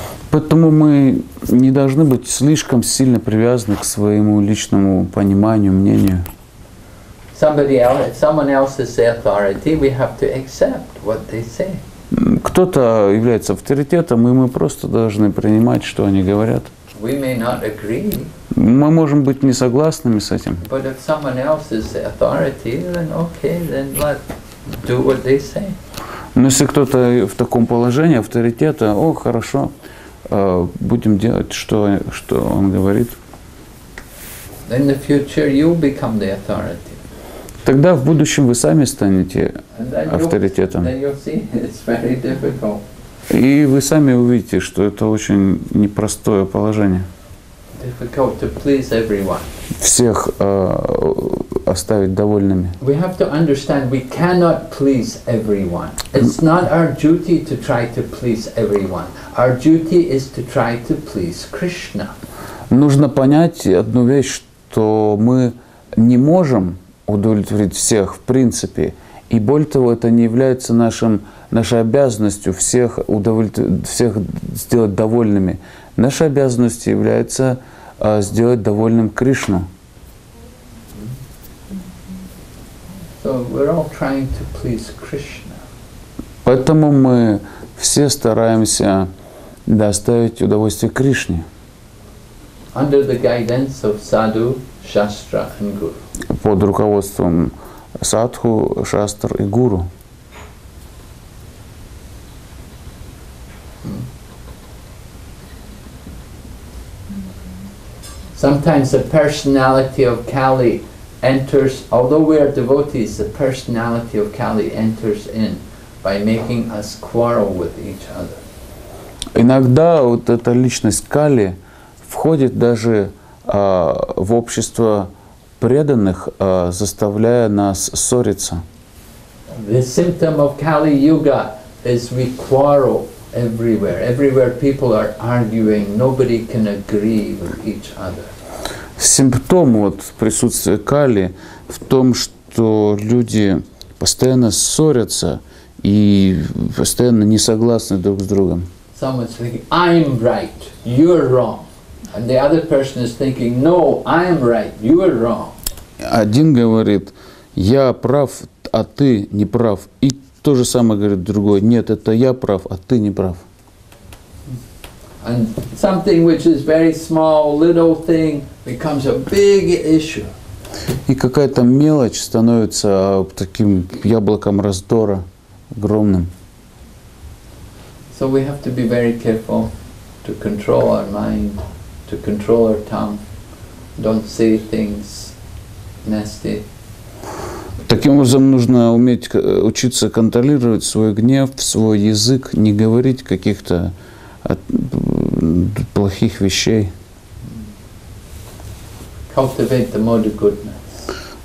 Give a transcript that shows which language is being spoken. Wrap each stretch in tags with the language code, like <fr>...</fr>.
<ru>Поэтому мы не должны быть слишком сильно привязаны к своему личному пониманию, мнению. Кто-то является авторитетом, и мы просто должны принимать, что они говорят.</ru> <en>We may not agree.</en> <ru>Мы можем быть не согласными с этим.</ru> <en>But if someone else is the authority, then okay, then let do what they say.</en> <ru>Но если кто-то в таком положении авторитета, о, хорошо, будем делать, что он говорит.</ru> <en>In the future you become the authority.</en> <ru>Тогда в будущем вы сами станете авторитетом.</ru> <en>Then you'll see it's very difficult.</en> <ru>И вы сами увидите, что это очень непростое положение.</ru> <en>Difficult to please everyone.</en> <ru>Всех оставить довольными.</ru> <en>We have to understand we cannot please everyone. It's not our duty to try to please everyone. Our duty is to try to please Krishna.</en> <ru>Нужно понять одну вещь, что мы не можем удовлетворить всех в принципе. И более того, это не является нашей обязанностью всех сделать довольными. Нашей обязанностью является сделать довольным Кришну.</ru> <en>So we're all trying to please Krishna.</en> <ru>Поэтому мы все стараемся доставить удовольствие Кришне.</ru> <en>Under the guidance of Sadhu, Shastra and Guru.</en> <ru>Под руководством Садху, Шастр и Гуру.</ru> <en>Sometimes the personality of Kali enters, although we are devotees, the personality of Kali enters in by making us quarrel with each other.</en> <ru>Иногда вот эта личность Кали входит даже в общество преданных, заставляя нас ссориться.</ru> <en>The symptom of Kali Yuga is we quarrel everywhere. Everywhere people are arguing, nobody can agree with each other.</en> <ru>Симптом вот присутствия Кали в том, что люди постоянно ссорятся и постоянно не согласны друг с другом.</ru> <en>Someone is thinking, I'm right, you're wrong. And the other person is thinking, no, I'm right, you're wrong.</en> <ru>Один говорит, я прав, а ты не прав. И то же самое говорит другой, нет, это я прав, а ты не прав.</ru> <en>And something which is very small, little thing becomes a big issue.</en> <ru>И какая-то мелочь становится таким яблоком раздора огромным.</ru> <en>So we have to be very careful to control our mind, to control our tongue. Don't say things nasty.</en> <ru>Таким образом, нужно уметь учиться контролировать свой гнев, свой язык, не говорить каких-то плохих вещей.</ru> <en>Cultivate the mode of goodness.</en>